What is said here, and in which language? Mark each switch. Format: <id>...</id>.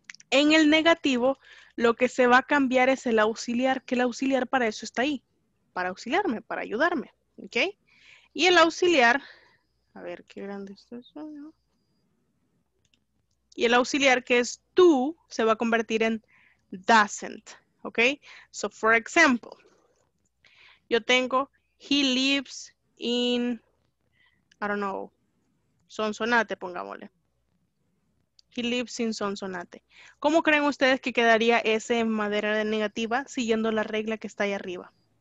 <es>En el negativo, lo que se va a cambiar es el auxiliar, que el auxiliar para eso está ahí, para auxiliarme, para ayudarme, ¿ok? Y el auxiliar, a ver qué grande es eso, ¿no? Y el auxiliar que es tú, se va a convertir en doesn't, ¿ok?</es> <en>So, for example, yo tengo, he lives in, I don't know, Sonsonate, pongámosle. He lives in Sonsonate.</en> <es>¿Cómo creen ustedes que quedaría ese en manera de negativa siguiendo la regla que está ahí arriba?</es>